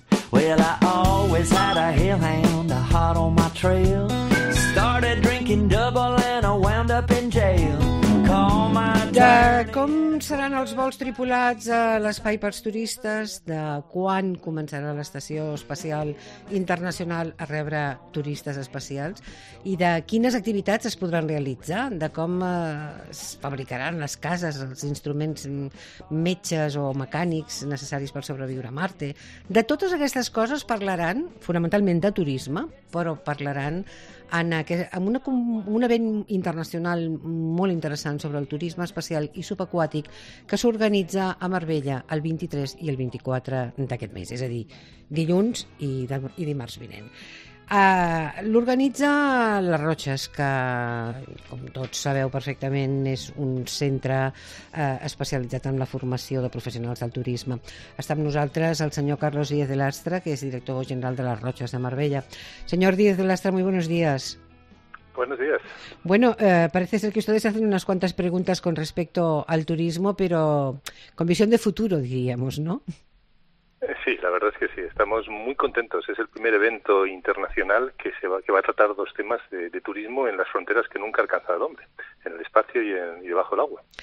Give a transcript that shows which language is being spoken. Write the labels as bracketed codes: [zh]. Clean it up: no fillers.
[en] Well, I always had a hellhound a hot on my trail. Started drinking double and I wound up in jail. Call my [ca] de com seran els vols tripulats a l'espai pels turistes, de quan començarà l'estació espacial internacional a rebre turistes espacials i de quines activitats es podran realitzar, de com es fabricaran les cases, els instruments metges o mecànics necessaris per sobreviure a Marte. De totes aquestes coses parlaran, fonamentalment de turisme, però parlaran en un event internacional molt interessant sobre el turisme espacial i subaquàtic que s'organitza a Marbella el 23 i el 24 d'aquest mes, és a dir, dilluns i dimarts vinent. L'organitza Les Roches, que com tots sabeu perfectament és un centre especialitzat en la formació de professionals del turisme. Està amb nosaltres el senyor Carlos Díez de Lastra, que és director general de Les Roches de Marbella. Senyor [es] Díez de Lastra, muy buenos días. Buenos días. Bueno, parece ser que ustedes hacen unas cuantas preguntas con respecto al turismo, pero con visión de futuro, diríamos, ¿no? Sí, la verdad es que sí. Estamos muy contentos. Es el primer evento internacional que va a tratar dos temas de turismo en las fronteras que nunca ha alcanzado el hombre, en el espacio y debajo del agua.